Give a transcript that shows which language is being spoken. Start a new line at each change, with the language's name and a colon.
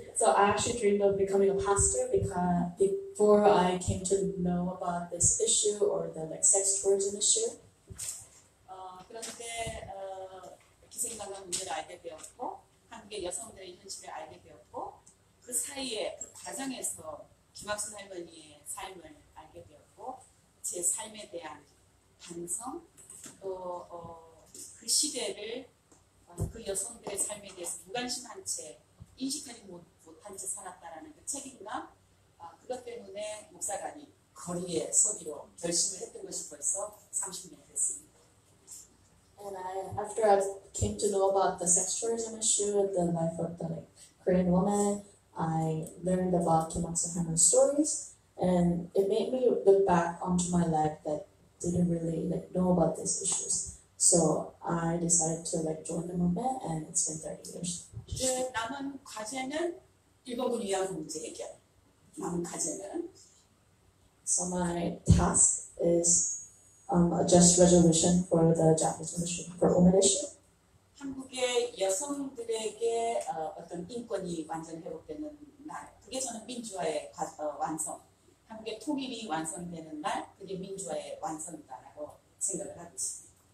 English: So, I actually dreamed of becoming a pastor because before I came to know about this issue or the like sex tourism issue.
Korean: 그런데 기생관광 문제를 알게 되었고 한국의 여성들의 현실을 알게 되었고 그 사이에 그 과정에서 김학순 할머니의 삶을 알게 되었고 제 삶에 대한 반성 또 그 시대를 그 여성들의 삶에 대해서 무관심한 채 인식하지 못한 채 살았다라는 그 책임감 그것 때문에 목사관이 거리에 서기로 결심을 했던 것이 벌써 30년 됐습니다.
English: And after I came to know about the sex tourism issue, the life of the Korean woman, I learned about Kim Bok Dong's stories, and it made me look back onto my life that didn't really know about these issues. So I decided to join the movement, and it's been 30 years.
Korean: 이제 남은 과제는 일본군 위안부 문제 해결. 남은 과제는.
English: So my task is a just resolution for the Japanese issue, for women issue.
Korean: 한국의 여성들에게 어떤 인권이 완전히 회복되는 날, 그게 저는 민주화의 완성, 한국의 통일이 완성되는 날, 그게 민주화의 완성이다라고 생각을 하고 있습니다.